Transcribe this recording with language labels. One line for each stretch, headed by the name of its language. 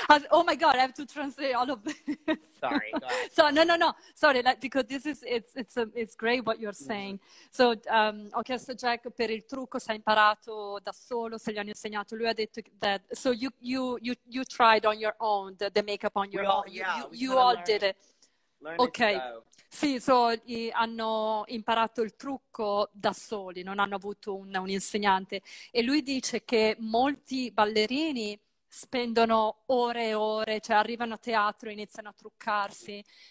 English: Oh, my God, I have to translate all of this. Sorry, go ahead. So, no. Sorry, like, because this is, it's great what you're saying. Mm-hmm.
Italian: So, ho chiesto a Jack per il trucco, se ha imparato da solo, se gli hanno insegnato. Lui ha detto
English: that, so you tried on your own, the makeup on your own. Yeah, you all learn, did it. Okay.
Italian: Sì, so hanno imparato il trucco da soli, non hanno avuto un insegnante. E lui dice che molti ballerini spendono ore e ore, cioè arrivano a teatro e iniziano a truccarsi.